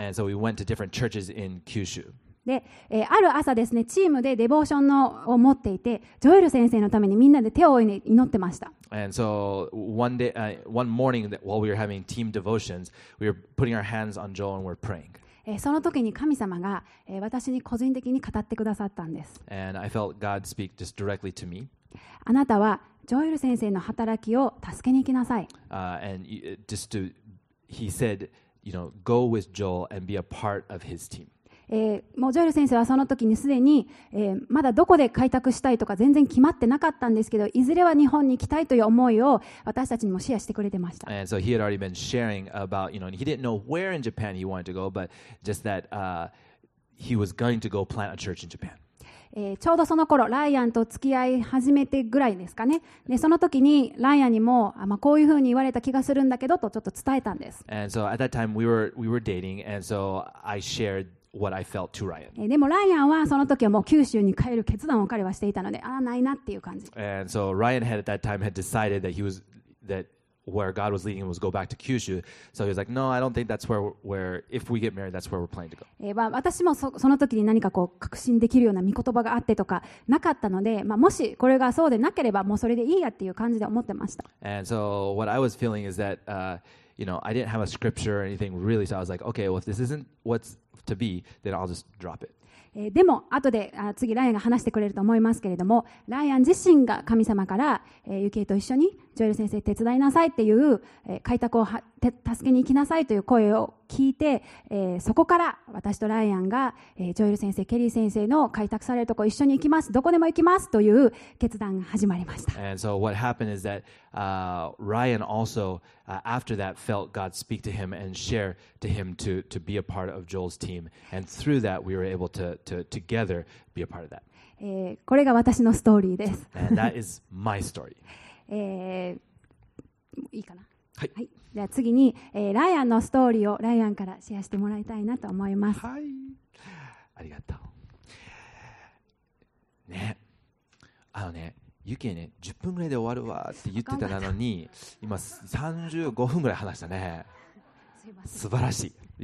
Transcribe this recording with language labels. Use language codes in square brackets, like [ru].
[en] And so we went to different churches in 九州。 [ja] で、ある朝ですね、チームでデボーションのを持っていて、ジョエル先生のためにみんなで手を祈ってました。 [en] And so one day, one morning while we were having team devotions, we were putting our hands on Joel and we're praying. [ja] その時に神様が、私に個人的に語ってくださったんです。 [en] And I felt God speak just directly to me. [ja] あなたはジョエル先生の働きを助けに行きなさい。 [en] And just to, he said, you know, go with Joel and be a part of his team. [ja] もうジョエル先生はその時にすでに、まだどこで開拓したいとか全然決まってなかったんですけど、いずれは日本に行きたいという思いを私たちにもシェアしてくれてました。 [en] And so he had already been sharing about, you know, he didn't know where in Japan he wanted to go, but just that, he was going to go plant a church in Japan. [ja] ちょうどその頃ライアンと付き合い始めてぐらいですかね。でその時にライアンにも、あ、まあ、こういうふうに言われた気がするんだけどとちょっと伝えたんです。 [en] And so at that time we were dating, and so I shared what I felt to Ryan. [ja] でもライアンはその時はもう九州に帰る決断を彼はしていたので、あ、ないなっていう感じ。 [en] And so Ryan had at that time had decided that he was that where God was leading him was go back to Kyushu. So he was like, no, I don't think that's where, where if we get married, that's where we're planning to go. [ja] 私も その時に何かこう確信できるような御言葉があってとかなかったので、まあ、もしこれがそうでなければもうそれでいいやっていう感じで思ってました。 [en] And so what I was feeling is that, you know, I didn't have a scripture or anything really, so I was like, okay, well, if this isn't what's to be, then I'll just drop it. [ja] でも後で次ライアンが話してくれると思いますけれども、ライアン自身が神様からユキエと一緒にジョエル先生手伝いなさいっていう開拓を助けに行きなさいという声を聞いて、そこから私とライアンがジョエル先生ケリー先生の開拓されるとこ一緒に行きます、どこでも行きますという決断が始まりました。 [en] And so what happened is that Ryan also after that felt God speak to him and share to him to be a part of Joel's team, and through that we were able to together be a part of that. [ja] これが私のストーリーです。 And that is my story. いいかな。はい、はい、じゃあ次に、ライアンのストーリーをライアンからシェアしてもらいたいなと思います。はい、ありがとう。ね、あのね、ユキエね、10分ぐらいで終わるわって言ってたのに今35分ぐらい話したね。素晴らしい。